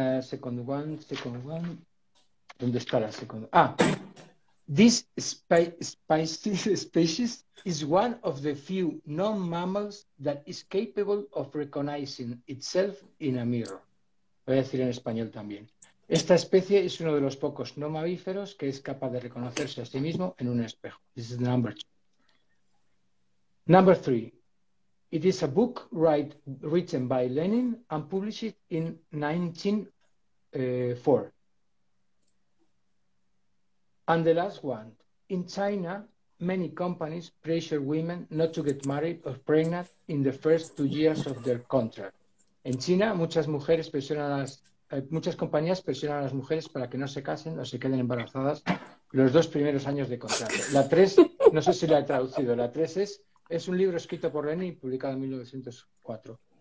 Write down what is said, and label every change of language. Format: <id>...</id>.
<en>Second one.</en> <es>¿Dónde está la segunda?</es> <en>Ah, this species is one of the few non-mammals that is capable of recognizing itself in a mirror.</en> <es>Voy a decir en español también. Esta especie es uno de los pocos no mamíferos que es capaz de reconocerse a sí mismo en un espejo.</es> <en>This is number two. Number three. It is a book written by Lenin and published in 1904. And the last one. In China, many companies pressure women not to get married or pregnant in the first 2 years of their contract.</en> <es>En China, muchas compañías presionan a las mujeres para que no se casen o se queden embarazadas los dos primeros años de contrato. La 3, no sé si la he traducido, la 3 es un libro escrito por Lenin y publicado en 1904.</es>